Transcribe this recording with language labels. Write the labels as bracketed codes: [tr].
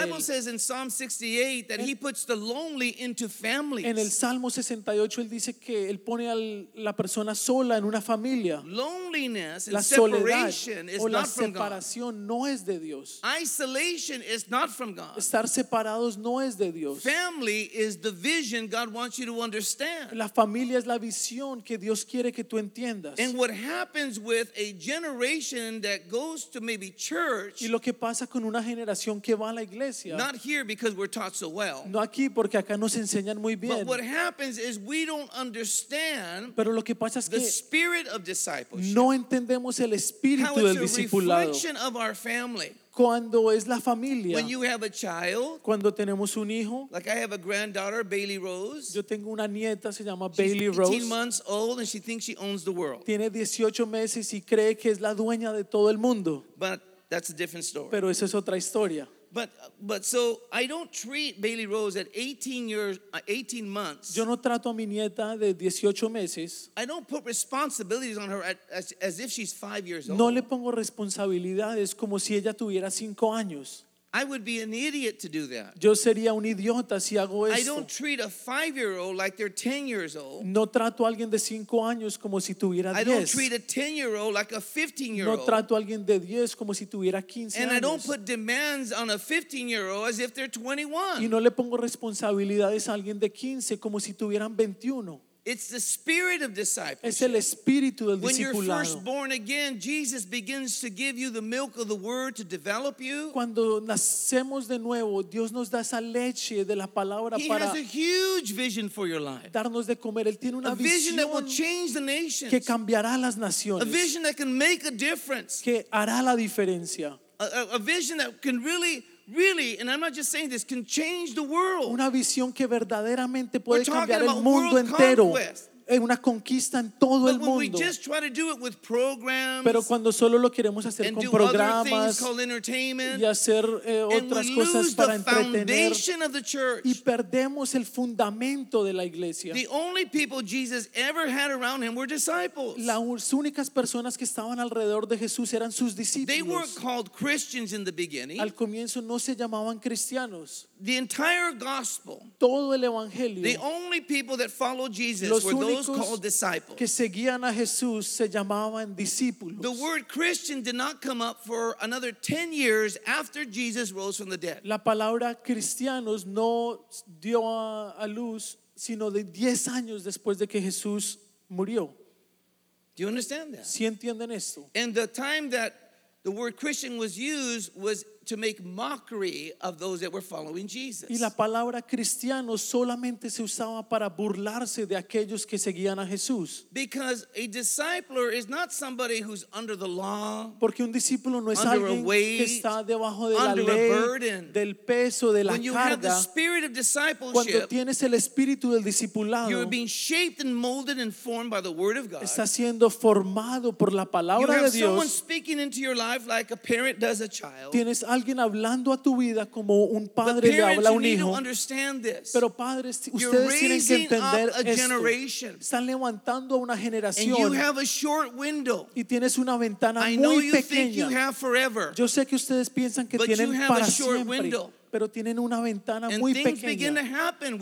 [en] The Bible says in Psalm 68 that he puts the lonely into families. [es] En el Salmo 68 él dice que él pone a la persona sola en una familia. [en] Loneliness and [es] la soledad [en] separation is [es] o la [en] not from [es] separación [en] God. [es] No es de Dios. [en] Isolation is not from God. [es] Estar separados no es de Dios. [en] Family is the vision God wants you to understand. [es] La familia es la visión que Dios quiere que tú entiendas. [en] And what happens with a generation that goes to maybe church? [es] Y lo que pasa con una generación que va a la iglesia. [en] Not here because we're taught so well. [es] No aquí porque acá nos enseñan muy bien. [en] But what happens is we don't understand. [es] Pero lo que pasa es que [en] spirit of discipleship. [es] No entendemos el espíritu del discipulado. [en] How it's a reflection of our family. [es] Cuando es la familia. [en] When you have a child. [es] Cuando tenemos un hijo. [en] Like I have a granddaughter, Bailey Rose. [es] Yo tengo una nieta, se llama [en] She's [es] Bailey Rose. [en] She's 18 months old and she thinks she owns the world. [es] Tiene 18 meses y cree que es la dueña de todo el mundo. [en] But that's a different story. [es] Pero esa es otra historia. [en] But so I don't treat Bailey Rose at 18 months. [es] Yo no trato a mi nieta de 18 meses. [en] I don't put responsibilities on her as if she's 5 years old. [es] No le pongo responsabilidades como si ella tuviera 5 años. [en] I would be an idiot to do that. [es] Yo sería un idiota si hago esto. [en] I don't treat a 5-year-old like they're 10 years old. [es] No trato a alguien de 5 años como si tuviera 10. [en] I don't treat a 10-year-old like a 15-year-old. [es] No trato a alguien de 10 como si tuviera 15 [en] And [es] años. [en] And I don't put demands on a 15-year-old as if they're 21. [es] Y no le pongo responsabilidades a alguien de 15 como si tuvieran 21. [en] It's the spirit of discipleship. [es] Es el espíritu del discipulado. [en] When you're first born again, Jesus begins to give you the milk of the word to develop you. [es] Cuando nacemos de nuevo, Dios nos da esa leche de la palabra [en] he [es] para [en] has a huge vision for your life. [es] Darnos de comer. Él tiene una [en] a vision that will change the nations. [es] Que cambiará las naciones. [en] A vision that can make a difference. [es] Que hará la diferencia. [en] A vision that can really, and I'm not just saying this, can change the world. [es] Una visión que verdaderamente puede cambiar el mundo entero. Una conquista en todo el mundo. [en] But when we just try to do it with programs, [es] pero cuando solo lo queremos hacer con programas y hacer otras cosas para entretener, y perdemos el fundamento de la iglesia. [en] The only people Jesus ever had around him were disciples. [es] Las únicas personas que estaban alrededor de Jesús eran sus discípulos. [en] They weren't called Christians in the beginning. [es] Al comienzo no se llamaban cristianos. [en] The entire gospel, [es] todo el evangelio, [en] the only people that followed Jesus were those called disciples. [es] Que seguían a Jesús se llamaban discípulos. [en] The word Christian did not come up for another 10 years after Jesus rose from the dead. [es] La palabra cristianos no dio a luz sino de 10 años después de que Jesús murió. [en] Do you understand that? [es] ¿Sí entienden esto? [en] And the time that the word Christian was used was to make mockery of those that were following Jesus. [es] Y la palabra cristiano solamente se usaba para burlarse de aquellos que seguían a Jesús. [en] Because a discipler is not somebody who's under the law. [es] Porque un discípulo no es alguien que está debajo de la [en] under [es] ley, [en] a burden. [es] Del peso de la [en] when you [es] carga, [en] have the spirit of discipleship, [es] cuando tienes el espíritu del discipulado, [en] you're being shaped and molded and formed by the word of God. [es] Está siendo formado por la palabra de Dios. [en] You have someone speaking into your life like a parent does a child. [es] Es alguien hablando a tu vida como un padre le habla a un hijo. Pero padres, ustedes tienen que entender esto. Están levantando a una generación. Y tienes una ventana muy pequeña. Yo sé que ustedes piensan que tienen para siempre. Pero tienen una ventana muy pequeña.